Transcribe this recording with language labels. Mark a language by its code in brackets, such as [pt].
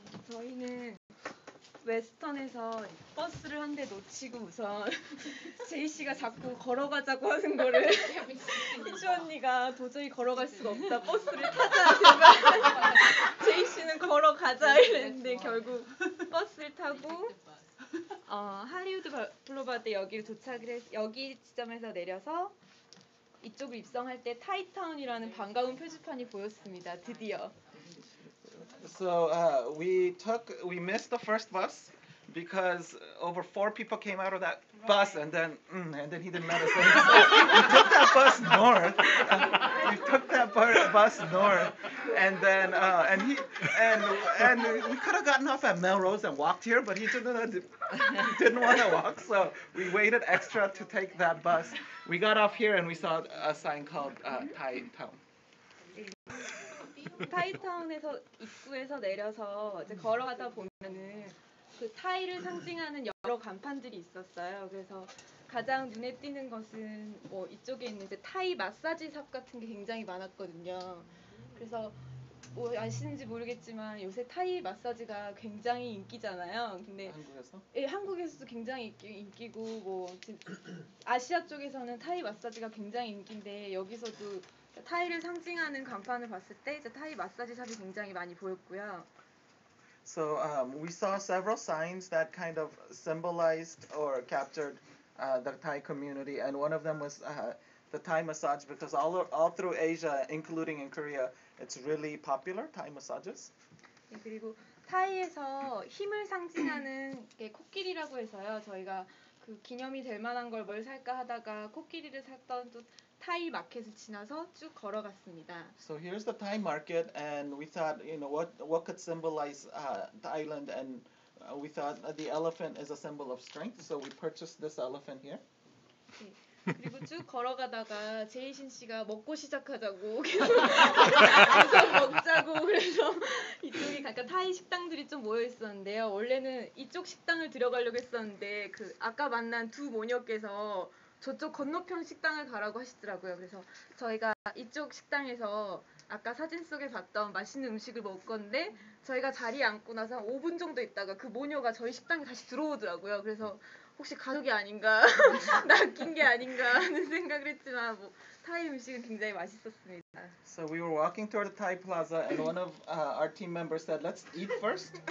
[ko] 저희는 웨스턴에서 버스를 한 대 놓치고 우선 제이 씨가 자꾸 걸어가자고 하는 거를 희주 언니가 도저히 걸어갈 수가 없다 버스를 타자 제이 씨는 걸어가자 이랬는데 결국 버스를 타고 할리우드 블루바드 여기를 도착을 해 여기 지점에서 내려서 이쪽을 입성할 때 타이타운이라는 반가운 표지판이 보였습니다 드디어. [en] So we missed the first bus because over 4 people came out of that bus and then he didn't let us in. We took that bus north. We took that bus north and we could have gotten off at Melrose and walked here, but he didn't want to walk. So we waited extra to take that bus. We got off here and we saw a sign called Thai Town. [ko] 타이타운에서 입구에서 내려서 이제 걸어가다 보면은 그 타이를 상징하는 여러 간판들이 있었어요. 그래서 가장 눈에 띄는 것은 뭐 이쪽에 있는 이제 타이 마사지샵 같은 게 굉장히 많았거든요. 그래서 뭐 아시는지 모르겠지만 요새 타이 마사지가 굉장히 인기잖아요. 근데 한국에서? 예, 한국에서도 굉장히 인기고 뭐 아시아 쪽에서는 타이 마사지가 굉장히 인기인데 여기서도 타이를 상징하는 간판을 봤을 때 이제 타이 마사지 샵이 굉장히 많이 보였고요. [en] So we saw several signs that kind of symbolized or captured the Thai community, and one of them was the Thai massage because all through Asia, including in Korea, it's really popular Thai massages. [ko] 네, 그리고 타이에서 힘을 상징하는 게 코끼리라고 해서요. 저희가 그 기념이 될 만한 걸 뭘 살까 하다가 코끼리를 샀던 또 타이 마켓을 지나서 쭉 걸어갔습니다. So here's the Thai market, and we thought, you know, what could symbolize Thailand, and we thought the elephant is a symbol of strength, so we purchased this elephant here. 그리고 쭉 걸어가다가 제이신 씨가 먹고 시작하자고 계속 먹자고 그래서 이쪽이 약간 타이 식당들이 좀 모여 있었는데요. 원래는 이쪽 식당을 들어가려고 했었는데 그 아까 만난 두 모녀께서 저쪽 건너편 식당을 가라고 하시더라고요. 그래서 저희가 이쪽 식당에서 아까 사진 속에 봤던 맛있는 음식을 먹었는데 저희가 자리에 앉고 나서 한 5분 정도 있다가 그 모녀가 저희 식당에 다시 들어오더라고요. 그래서 혹시 가족이 아닌가, 낚인 게 아닌가 하는 생각을 했지만 뭐 타이 음식은 굉장히 맛있었습니다. [en] So we were walking toward the Thai plaza and one of our team members said, let's eat first.